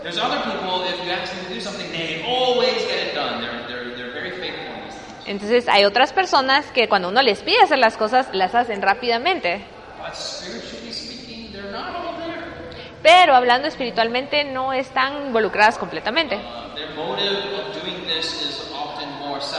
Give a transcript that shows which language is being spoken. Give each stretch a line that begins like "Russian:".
English: There's other people, if you ask them to do something, they always get it done. They're very faithful on these things.
Spanish: Entonces hay otras personas que cuando uno les pide hacer las cosas, las hacen rápidamente.
English: But spiritually speaking, they're not all there.
Spanish: Pero hablando espiritualmente, no están involucradas completamente.
English: Their motive of doing this is often more.